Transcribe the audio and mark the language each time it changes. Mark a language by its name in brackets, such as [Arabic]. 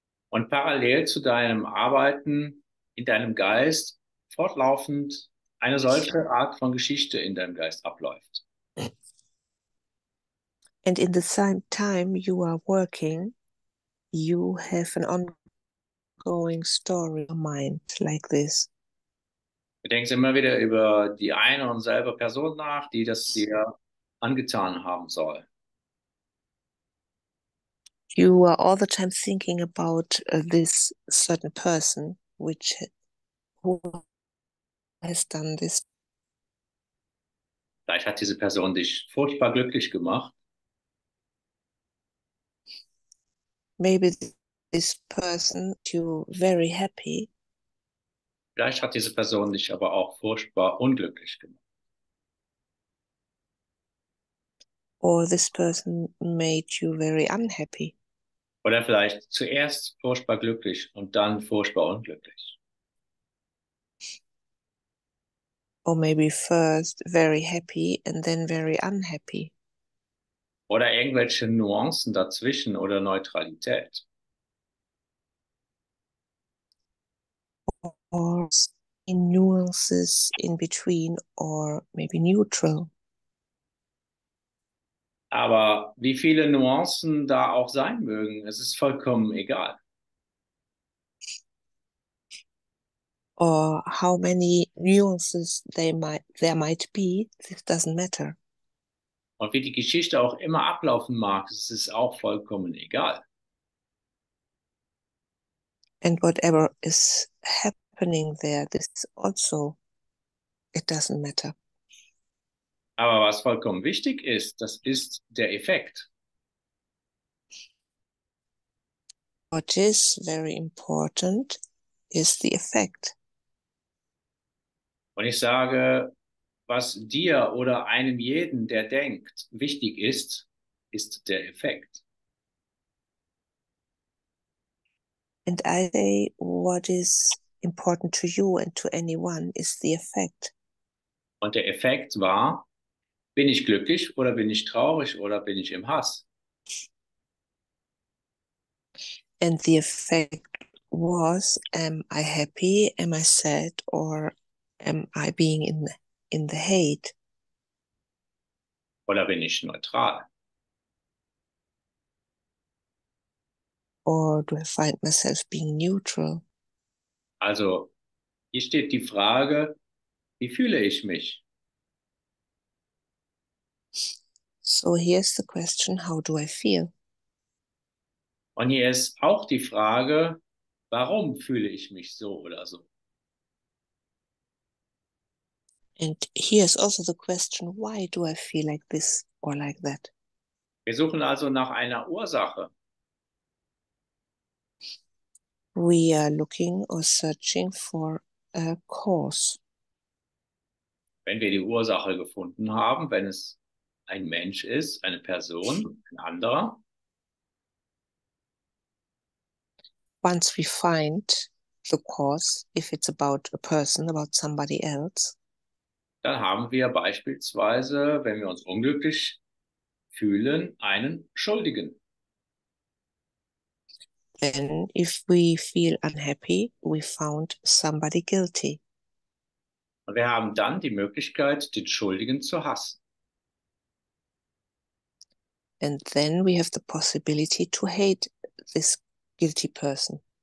[German] Und parallel zu deinem Arbeiten in deinem Geist fortlaufend eine solche Art von Geschichte in deinem Geist abläuft. [English] And in the same time you are working, you have an ongoing story in mind like this. [German] Du denkst immer wieder über die eine und selbe Person nach, die das dir angetan haben soll. [English] You are all the time thinking about this certain person, who has done this. [German] Vielleicht hat diese Person dich furchtbar glücklich gemacht. [English] Maybe this person made you very happy. [German] Vielleicht hat diese Person dich aber auch furchtbar unglücklich gemacht. [English] Or this person made you very unhappy. [German] Oder vielleicht zuerst furchtbar glücklich und dann furchtbar unglücklich. [English] Or maybe first very happy and then very unhappy. [German] Oder irgendwelche Nuancen dazwischen oder Neutralität. [English] Or in nuances in between or maybe neutral. [German] Aber wie viele Nuancen da auch sein mögen, es ist vollkommen egal. [English] Or how many nuances there might be, this doesn't matter. [German] Und wie die Geschichte auch immer ablaufen mag, es ist auch vollkommen egal. [English] And whatever is happening there, this also, it doesn't matter. [German] Aber was vollkommen wichtig ist, das ist der Effekt. [English] What is very important is the effect. [German] Und ich sage, Was dir oder einem jeden, der denkt, wichtig ist, ist der Effekt. [English] And I, what is important to you and to anyone is the effect. [German] Und der Effekt war, bin ich glücklich oder bin ich traurig oder bin ich im Hass? [English] And the effect was, am I happy, am I sad, or am I being in the hate? [German] Oder bin ich neutral? [English] Or do I find myself being neutral? [German] Also, hier steht die Frage, wie fühle ich mich? [English] So here's the question, how do I feel? [German] Und hier ist auch die Frage, warum fühle ich mich so oder so? [English] And here's also the question, why do I feel like this or like that? [German] Wir suchen also nach einer Ursache. [English] We are looking or searching for a cause. [German] Wenn wir die Ursache gefunden haben, wenn es ein Mensch ist, eine Person, ein anderer. [English] Once we find the cause, if it's about a person, about somebody else. [German] Dann haben wir beispielsweise, wenn wir uns unglücklich fühlen, einen Schuldigen. [English] Then if we feel unhappy, we found somebody guilty. [German] Und wir haben dann die Möglichkeit, den Schuldigen zu hassen. [English] And then we have the possibility to hate this guilty person.